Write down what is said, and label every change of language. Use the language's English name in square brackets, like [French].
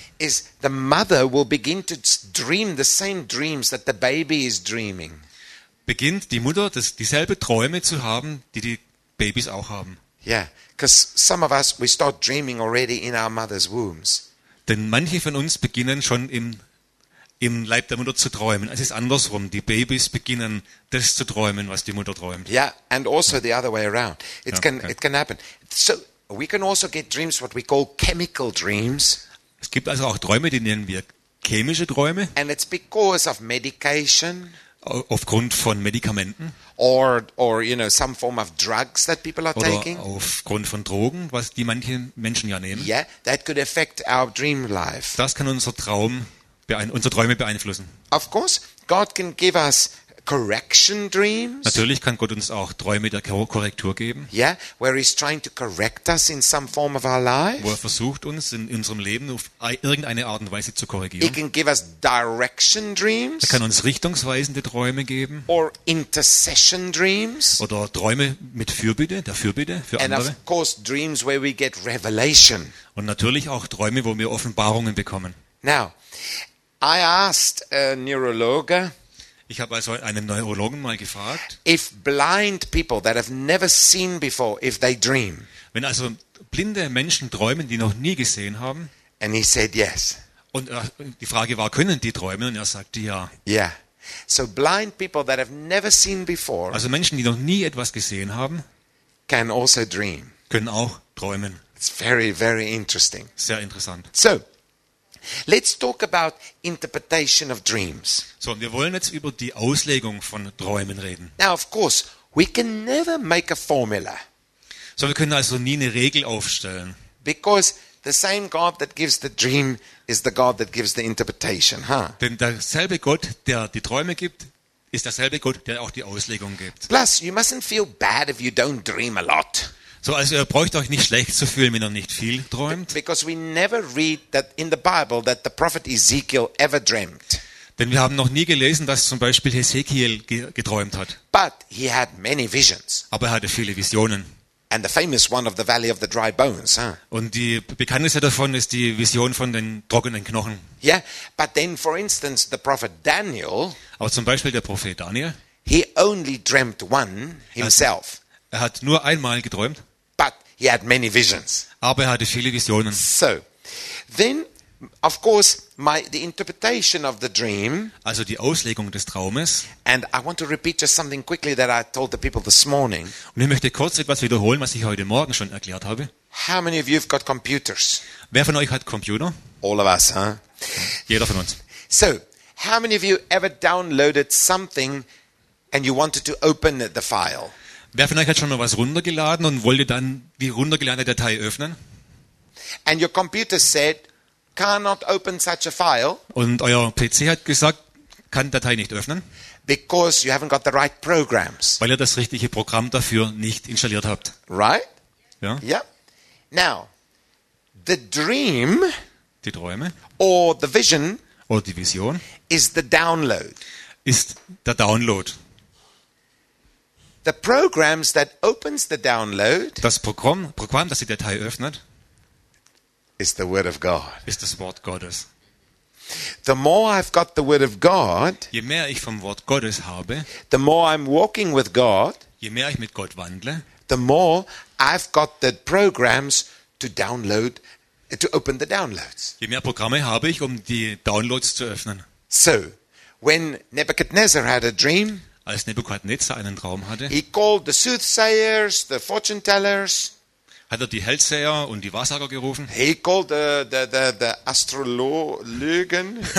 [English] is the mother will begin to dream the same dreams that the baby is dreaming. [German] Beginnt die Mutter dieselbe Träume zu haben, die Babys auch haben. [English] Yeah, because some of us we start dreaming already in our mother's wombs. [German] Denn manche von uns beginnen schon im Leib der Mutter zu träumen. Es ist andersrum. Die Babys beginnen das zu träumen, was die Mutter träumt. [English] Yeah, and also the other way around. It can happen. So we can also get dreams, what we call chemical dreams. [German] Es gibt also auch Träume, die nennen wir chemische Träume. [English] And it's because of medication. [German] Aufgrund von Medikamenten. [English] Or you know some form of drugs that people are taking. [German] Oder aufgrund von Drogen, was die manche Menschen ja nehmen. [English] Yeah, that could affect our dream life. [German] Das kann unsere Träume beeinflussen. [English] Of course, God can give us correction dreams. [German] Natürlich kann Gott uns auch Träume der Korrektur geben. [English] Yeah, where he's trying to correct us in some form of our life. [German] Wo er versucht uns in unserem Leben auf irgendeine Art und Weise zu korrigieren. [English] He can give us direction dreams. [German] Er kann uns richtungsweisende Träume geben. [English] Or intercession dreams. [German] Oder Träume mit Fürbitte für [English] and [German] andere. [English] And of course dreams where we get revelation. [German] Und natürlich auch Träume, wo wir Offenbarungen bekommen. [English] Now, I asked a neurologist. [German] Ich habe also einen Neurologen mal gefragt, [English] if blind people that have never seen before, if they dream. [German] Wenn also blinde Menschen träumen, die noch nie gesehen haben. [English] And he said yes. [German] Und die Frage war, können die träumen? Und er sagte ja. [English] Yeah. So blind people that have never seen before. [German] Also Menschen, die noch nie etwas gesehen haben, [English] can also dream. [German] Können auch träumen. [English] It's very, very interesting. [German] Sehr interessant. [English] So, let's talk about interpretation of dreams. [German] So, wir wollen jetzt über die Auslegung von Träumen reden. [English] Now, of course, we can never make a formula. [German] So, wir können also nie eine Regel aufstellen. [English] Because the same God that gives the dream is the God that gives the interpretation, huh? [German] Denn derselbe Gott, der die Träume gibt, ist derselbe Gott, der auch die Auslegung gibt. [English] Plus, you mustn't feel bad if you don't dream a lot. [German] So, also ihr braucht euch nicht schlecht zu fühlen, wenn ihr nicht viel träumt. [English] Because we never read that in the Bible that the prophet Ezekiel ever dreamt. [German] Denn wir haben noch nie gelesen, dass zum Beispiel Hesekiel geträumt hat. [English] But he had many visions. [German] Aber er hatte viele Visionen. [English] And the famous one of the Valley of the Dry Bones, huh? [German] Und die bekannteste davon ist die Vision von den trockenen Knochen. [English] Yeah, but then for instance the prophet Daniel. [German] Aber zum Beispiel der Prophet Daniel. [English] He only dreamt one himself. [German] Er hat nur einmal geträumt. [English] But he had many visions. [German] Aber er hatte viele Visionen. [English] So, then, of course, the interpretation of the dream. [German] Also die Auslegung des Traumes. [English] And I want to repeat just something quickly that I told the people this morning. [German] Und ich möchte kurz etwas wiederholen, was ich heute Morgen schon erklärt habe. [English] How many of you have got computers? [German] Wer von euch hat Computer? [English] All of us, huh? [German] Jeder von uns. [English] So, how many of you ever downloaded something and you wanted to open the file? [German] Wer von euch hat schon mal was runtergeladen und wollte dann die runtergeladene Datei öffnen? [English] And your computer said, cannot open such a file. [German] Und euer PC hat gesagt, kann Datei nicht öffnen. [English] Because you haven't got the right programs. [German] Weil ihr das richtige Programm dafür nicht installiert habt. [English] Right? [German] Ja. [English] Yeah. Now, the dream. [German] Die Träume. [English] Or the vision. [German] Oder die Vision. [English] Is the download. [German] Ist der Download. [English] The programs that opens the download. [German] Das Programm, das die Datei öffnet, [English] is the word of God. [German] Ist das Wort Gottes. [English] The more I've got the word of God. [German] Je mehr ich vom Wort Gottes habe. [English] The more I'm walking with God. [German] Je mehr ich mit Gott wandle. [English] The more I've got the programs to download, to open the downloads. [German] Je mehr Programme habe ich, um die Downloads zu öffnen. [English] So, when Nebuchadnezzar had a dream. [German] Als Nebuchadnezzar einen Traum hatte, [English] he called the soothsayers, the fortune tellers, [German] hat er die Hellseher und die Wahrsager gerufen. [English] He called the Astrologen.